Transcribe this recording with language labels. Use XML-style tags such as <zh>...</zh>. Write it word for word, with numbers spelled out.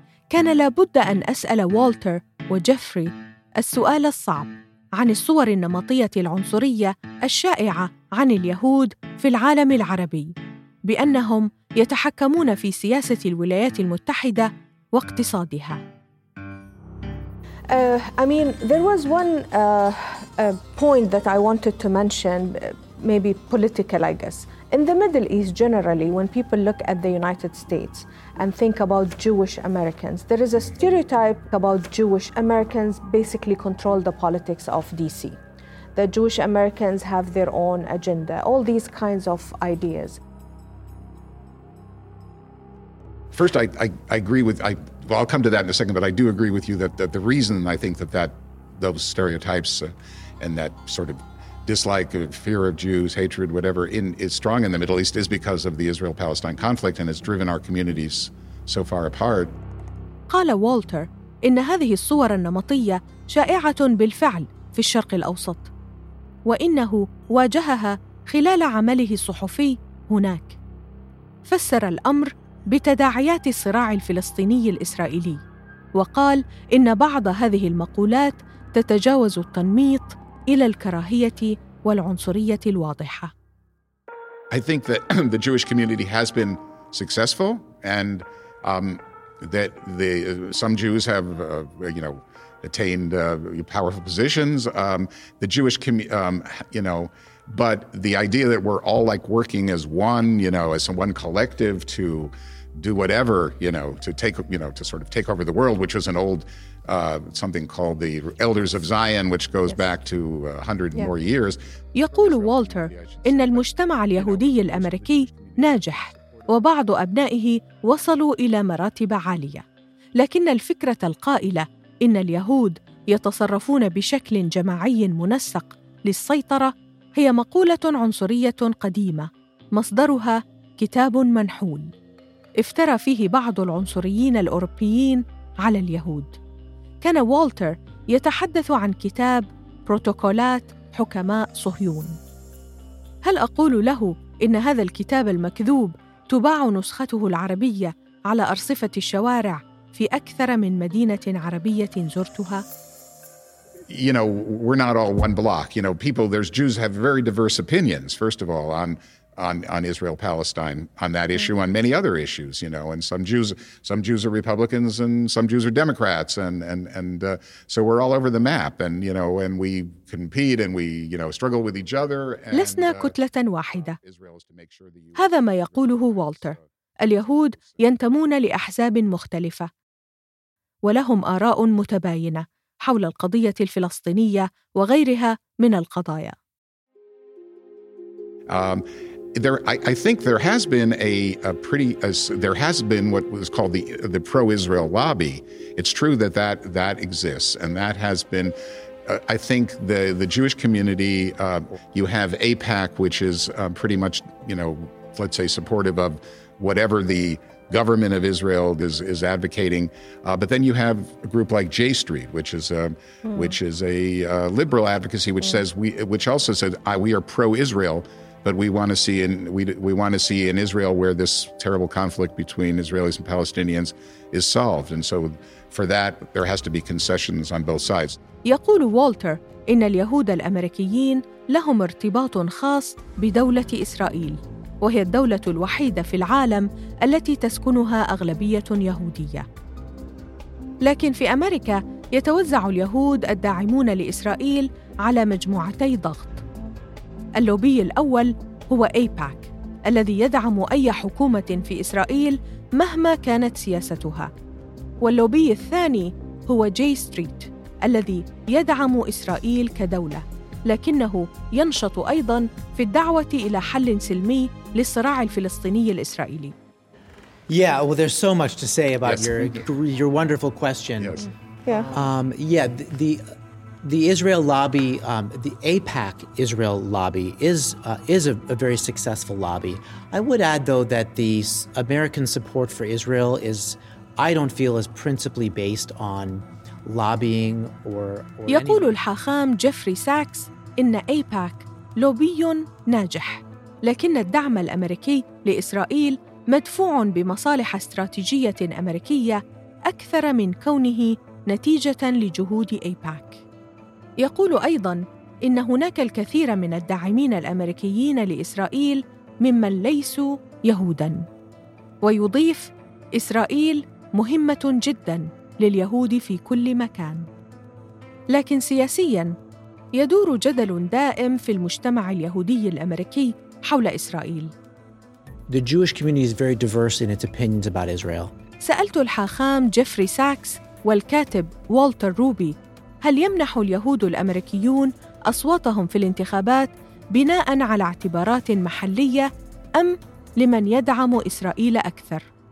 <ar>كان لابد أن أسأل والتر وجيفري السؤال الصعب عن الصور النمطية العنصرية الشائعة عن اليهود في العالم العربي، بأنهم يتحكمون في سياسة الولايات المتحدة واقتصادها.</ar> <en>Uh, I mean, there was one uh, uh, point that I wanted to mention, maybe political, I guess. In the Middle East, generally, when people look at the United States and think about Jewish Americans, there is a stereotype about Jewish Americans basically control the politics of D C. That Jewish Americans have their own agenda, all these kinds of ideas. First, I, I, I agree with... I, Well, I'll come to that in a second, but I do agree with you that, that the reason I think that, that those stereotypes uh, and that sort of dislike, uh, fear of Jews, hatred, whatever, in, is strong in the Middle East is because of the Israel-Palestine conflict and has driven our communities so far apart.</en> <ar>قال والتر إن هذه الصور النمطية شائعة بالفعل في الشرق الأوسط، وإنه واجهها خلال عمله الصحفي هناك. فسر الأمر بتداعيات الصراع الفلسطيني الإسرائيلي، وقال إن بعض هذه المقولات تتجاوز التنميط إلى الكراهية والعنصرية الواضحة.</ar> <en>I think that the Jewish community has been successful and um, that the, some Jews have, uh, you know, attained uh, powerful positions. Um, the Jewish community, um, you know, but the idea that we're all like working as one, you know, as one collective to do whatever, you know, to take, you know, to sort of take over the world, which was an old uh, something called the Elders of Zion, which goes back to uh, one hundred yeah. more years.</en> <ar>يقول والتر إن المجتمع اليهودي الأمريكي ناجح وبعض أبنائه وصلوا إلى مراتب عالية، لكن الفكرة القائلة إن اليهود يتصرفون بشكل جماعي منسق للسيطرة هي مقولة عنصرية قديمة مصدرها كتاب منحول افترى فيه بعض العنصريين الأوروبيين على اليهود. كان والتر يتحدث عن كتاب بروتوكولات حكماء صهيون. هل أقول له إن هذا الكتاب المكذوب تباع نسخته العربية على أرصفة الشوارع في أكثر من مدينة عربية زرتها؟</ar> <en>You know, we're not all one block. You know, people, there's Jews have very diverse opinions, first of all, on on, on Israel-Palestine, on that issue, on many other issues, you know, and some Jews some Jews are Republicans and some Jews are Democrats. And, and, and uh, so we're all over the map and, you know, and we compete and we, you know, struggle with each other. And,</en> <ar>لسنا كتلة واحدة. هذا ما يقوله والتر. اليهود ينتمون لأحزاب مختلفة ولهم آراء متباينة حول القضية الفلسطينية وغيرها من القضايا. Um,</ar> <en>There, I, I think there has been a, a pretty, a, there has been what was called the the pro-Israel lobby. It's true that that, that exists, and that has been, uh, I think the, the Jewish community, uh, you have AIPAC, which is uh, pretty much, you know, let's say supportive of whatever the government of Israel is is advocating, uh, but then you have a group like J Street, which is a, mm. which is a uh, liberal advocacy, which mm. says we, which also says I, we are pro-Israel. But we want to see in we we want to see in Israel where this terrible conflict between Israelis and Palestinians is solved. And so for that, there has to be concessions on both sides.</en> <ar>يقول والتر إن اليهود الأمريكيين لهم ارتباط خاص بدولة إسرائيل، وهي الدولة الوحيدة في العالم التي تسكنها أغلبية يهودية. لكن في أمريكا يتوزع اليهود الداعمون لإسرائيل على مجموعتي ضغط. اللوبي الأول هو أيباك الذي يدعم أي حكومة في إسرائيل مهما كانت سياستها، واللوبي الثاني هو جي ستريت الذي يدعم إسرائيل كدولة، لكنه ينشط أيضاً في الدعوة إلى حل سلمي للصراع الفلسطيني الإسرائيلي.</ar> <en>Yeah, well, there's so much to say about yes. your your wonderful question. Yes. Yeah. Um, yeah, the, the The Israel lobby, um, the AIPAC Israel lobby, is uh, is a, a very successful lobby. I would add, though, that the American support for Israel is, I don't feel, is principally based on lobbying or. or</en> <ar>يقول الحاخام جيفري ساكس إن أيباك لوبي ناجح، لكن الدعم الأمريكي لإسرائيل مدفوع بمصالح استراتيجية أمريكية أكثر من كونه نتيجة لجهود أيباك. يقول أيضاً إن هناك الكثير من الداعمين الأمريكيين لإسرائيل ممن ليسوا يهوداً، ويضيف إسرائيل مهمة جداً لليهود في كل مكان. لكن سياسياً يدور جدل دائم في المجتمع اليهودي الأمريكي حول إسرائيل.</ar> <en>The Jewish community is very diverse in its opinions about Israel.</en> <ar>سألت الحاخام جيفري ساكس والكاتب والتر روبي هل يمنح اليهود الأمريكيون أصواتهم في الانتخابات بناءً على اعتبارات محلية أم لمن يدعم إسرائيل أكثر؟</ar>